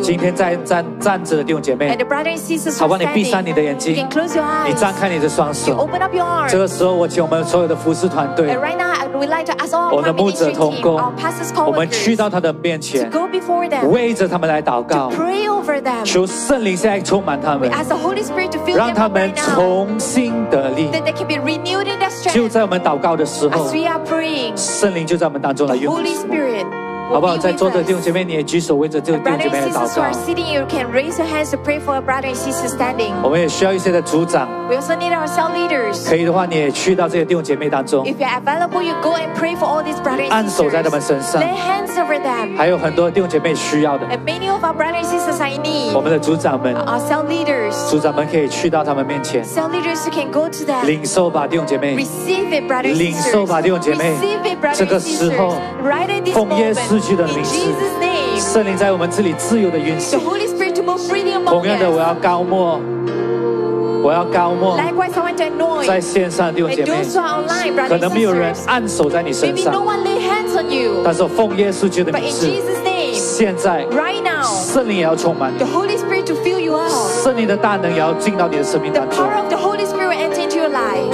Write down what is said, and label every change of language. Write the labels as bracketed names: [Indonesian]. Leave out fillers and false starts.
[Chinese] 今天在 站着的弟兄姐妹 [English] and the brothers and sisters standing, [Chinese] 好吧，你闭上你的眼睛 [English] you can close your eyes, [Chinese] 你张开你的双手 [English] you open up your arms, [Chinese] 这个时候我请我们所有的服侍团队 [English] and right now I would like to ask all of our ministry team, our pastors, coworkers, [Chinese] 我们去到他的面前 [English] to go before them, [Chinese] 为着他们来祷告 [English] to pray over them, [Chinese] 求圣灵现在充满他们 [English] we ask the Holy Spirit to fill them [Chinese] 让他们重新得力 [English] that they can be renewed in their strength, [Chinese] 就在我们祷告的时候 [English] as we are praying, [Chinese] 圣灵就在我们当中来用 [English] the Holy Spirit, [Chinese] 好不好？在座的弟兄姐妹，你也举手为着这个弟兄姐妹来祷告。 [English] Brothers and sisters who are sitting, you can raise your hands to pray for a brother and sister standing. [Chinese] 我们也需要一些的组长。 [English] We also need our cell leaders. [Chinese] 可以的话，你也去到这些弟兄姐妹当中。 [English] If you're available, you go and pray for all these brothers and sisters. [Chinese] 按手在他们身上。 [English] Lay hands over them. [Chinese] 还有很多弟兄姐妹需要的。 [English] And many of our brothers and sisters I need. [Chinese] 我们的组长们。 [English] Our cell leaders. [Chinese] 组长们可以去到他们面前。 [English] Cell leaders can go to them. [Chinese] 领受吧，弟兄姐妹。 [English] Receive it, brothers and sisters. [Chinese] 领受吧，弟兄姐妹。 [English] Receive it, brothers and sisters. [Chinese] 这个时候， [English] right in this moment. [Chinese] 失去的名字，圣灵在我们这里自由的运行。同样的，我要高牧，我我要高牧 [English] Likewise, I want to anoint. [Chinese] 在线上弟兄姐妹 [English] And do so online, brothers. [Chinese] 可能没有人按手在你身上 [English] Maybe no one lay hands on you. [Chinese] 但是奉耶稣基督的名 [English] 字 But in Jesus' name, [Chinese] 现在 [English] right now, [Chinese] 圣灵也要充满你 [English] The Holy Spirit to fill you up. [Chinese] 圣灵的大能也要进到你的生命当中 [English] The power of the Holy Spirit will enter into your life.